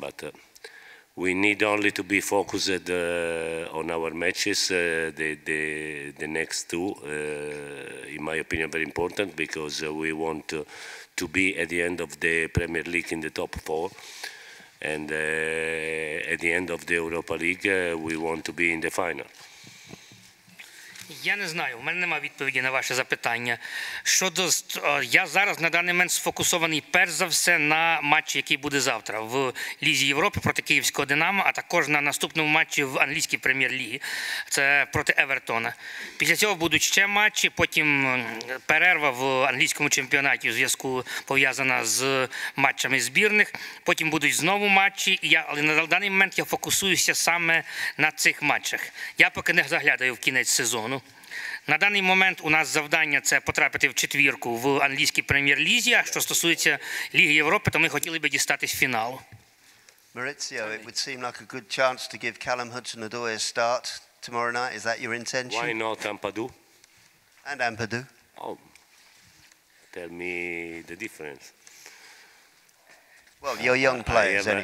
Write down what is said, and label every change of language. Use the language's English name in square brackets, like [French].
[English] But we need only to be focused on our matches, the next two, in my opinion, very important, because we want to be at the end of the Premier League in the top four. And at the end of the Europa League, we want to be in the final. [Ukrainian] Я не знаю, у мене немає відповіді на ваше запитання. Щодо, я зараз на даний момент сфокусований перш за все на матчі, який буде завтра в Лізі Європи проти Київського «Динамо», а також на наступному матчі в англійській прем'єр-лігі, це проти Евертона. Після цього будуть ще матчі, потім перерва в англійському чемпіонаті у зв'язку пов'язана з матчами збірних, потім будуть знову матчі, але на даний момент я фокусуюся саме на цих матчах. Я поки не заглядаю в кінець сезону. На даний момент у нас завдання – це потрапити в четвірку в англійській прем'єр-лізі, а що стосується Ліги Європи, то ми хотіли б дістатись в фінал. [English] Maurizio, it would seem like a good chance to give Callum Hudson-Odoi a start tomorrow night. Is that your intention? Why not Ampadu? And Ampadu. Oh, tell me the difference. Well, you're young players.